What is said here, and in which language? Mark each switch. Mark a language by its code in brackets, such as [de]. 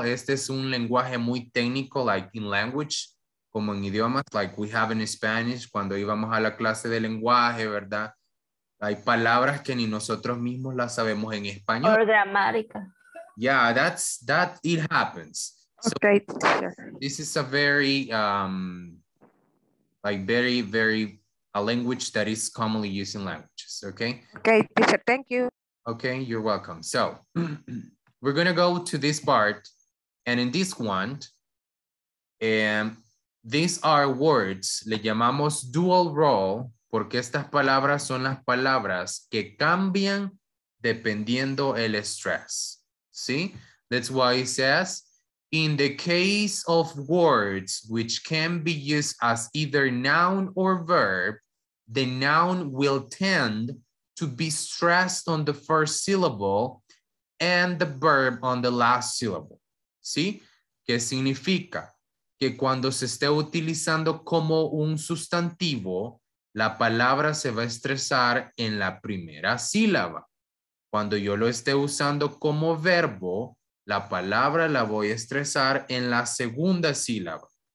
[es] Este es un lenguaje muy técnico, [en] like in language, [es] como en idiomas, [en] like we have in Spanish, [es] cuando íbamos a la clase de lenguaje, ¿verdad? Hay palabras que ni nosotros mismos las sabemos en español. [en] Or gramática. Yeah, that's that, it happens. Okay. So, this is a very, like very, very, a language that is commonly used in languages, okay? Okay, teacher, thank you. Okay, you're welcome. So, we're gonna go to this part, and in this one, these are words, [es] le llamamos dual role, porque estas palabras son las palabras que cambian dependiendo el estrés. [en] See, that's why it says, in the case of words which can be used as either noun or verb, the noun will tend to be stressed on the first syllable and the verb on the last syllable. [es] ¿Sí? ¿Qué significa? Que cuando se esté utilizando como un sustantivo, la palabra se va a estresar en la primera sílaba. Cuando yo lo esté usando como verbo, la palabra la voy a estresar en la segunda sílaba.